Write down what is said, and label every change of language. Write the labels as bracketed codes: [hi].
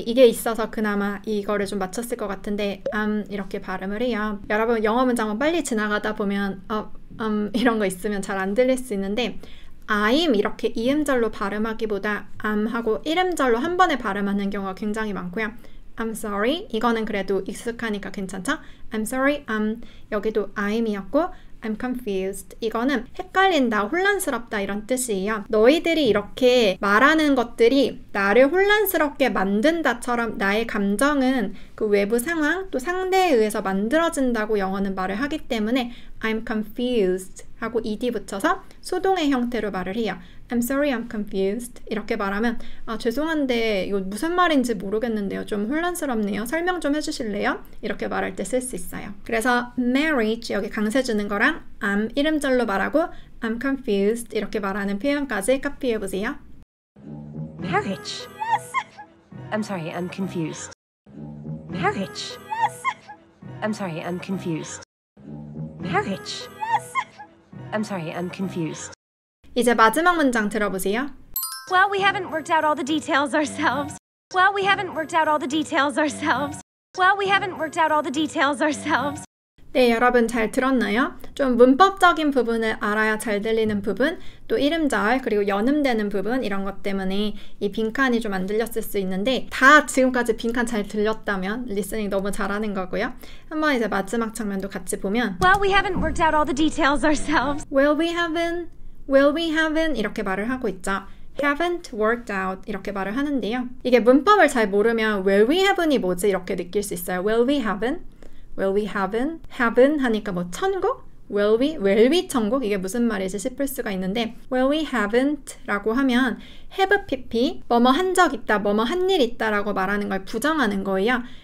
[ko] 이게 있어서 그나마 이거를 좀 맞췄을 것 같은데 이렇게 발음을 해요. 여러분 영어 문장만 빨리 지나가다 보면 이런 거 있으면 잘 안 들릴 수 있는데 I'm 이렇게 이음절로 발음하기보다 하고 1음절로 한 번에 발음하는 경우가 굉장히 많고요. [en] I'm sorry. [ko] 이거는 그래도 익숙하니까 괜찮죠? [en] I'm sorry. [ko] I'm 여기도 I'm이었고 [en] I'm confused. [ko] 이거는 헷갈린다, 혼란스럽다 이런 뜻이에요. 너희들이 이렇게 말하는 것들이 나를 혼란스럽게 만든다처럼 나의 감정은 그 외부 상황 또 상대에 의해서 만들어진다고 영어는 말을 하기 때문에 [en] I'm confused [ko] 하고 ed 붙여서 수동의 형태로 말을 해요. [en] I'm sorry, I'm confused. [ko] 이렇게 말하면 아 죄송한데 이거 무슨 말인지 모르겠는데요. 좀 혼란스럽네요. 설명 좀 해주실래요? 이렇게 말할 때 쓸 수 있어요. 그래서 marriage 여기 강세 주는 거랑 I'm 이름절로 말하고 [en] I'm confused [ko] 이렇게 말하는 표현까지 카피해 보세요. [en] Marriage. Yes. I'm sorry, I'm confused. Marriage. Yes. I'm sorry, I'm confused. Marriage. Yes. I'm sorry, I'm confused. [ko] 이제 마지막 문장 들어보세요. [en] Well, we haven't worked out all the details ourselves. Well, we haven't worked out all the details ourselves. Well, we haven't worked out all the details ourselves. [ko] 네, 여러분 잘 들었나요? 좀 문법적인 부분을 알아야 잘 들리는 부분, 또 이름절, 그리고 연음되는 부분 이런 것 때문에 이 빈칸이 좀 안 들렸을 수 있는데 다 지금까지 빈칸 잘 들렸다면 리스닝 너무 잘하는 거고요. 한번 이제 마지막 장면도 같이 보면 [en] Well, we haven't worked out all the details ourselves. Well, we haven't [ko] 이렇게 말을 하고 있죠. [en] Haven't worked out [ko] 이렇게 말을 하는데요. 이게 문법을 잘 모르면 [en] Well, we haven't [ko] 이 뭐지? 이렇게 느낄 수 있어요. [en] Well, we haven't. Well, we haven't. [ko] Haven't 하니까 뭐 천국? [en] Will we [ko] 천국? 이게 무슨 말이지 싶을 수가 있는데 [en] Well, we haven't [ko] 라고 하면 Have PP 뭐뭐 한적 있다, 뭐뭐 한일 있다 라고 말하는 걸 부정하는 거예요.